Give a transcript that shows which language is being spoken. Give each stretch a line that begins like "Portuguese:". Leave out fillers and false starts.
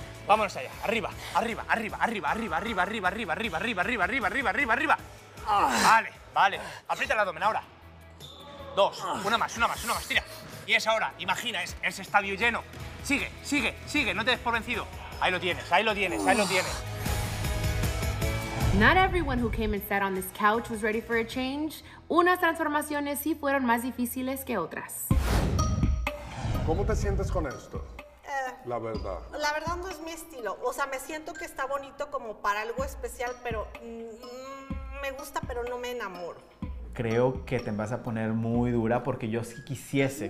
Spanish: Vámonos allá. Arriba, arriba, arriba, arriba, arriba, arriba, arriba, arriba, arriba, arriba, arriba, arriba, arriba, arriba, arriba. Vale, vale. Aprieta el abdomen ahora. 2. Una más, una más, una más. Tira. Y es ahora. Imagina, es ese estadio lleno. Sigue, sigue, sigue. No te des por vencido. Ahí lo tienes, ahí lo tienes, ahí lo tienes.
English: Not everyone who came and sat on this couch was ready for a change.
Spanish: Unas transformaciones sí fueron más difíciles que otras. ¿Cómo te sientes con esto? La verdad. La verdad no es mi estilo. O sea, me siento que está bonito como para algo especial, pero me gusta, pero no me enamoro. Creo que te vas a poner muy dura porque yo sí quisiese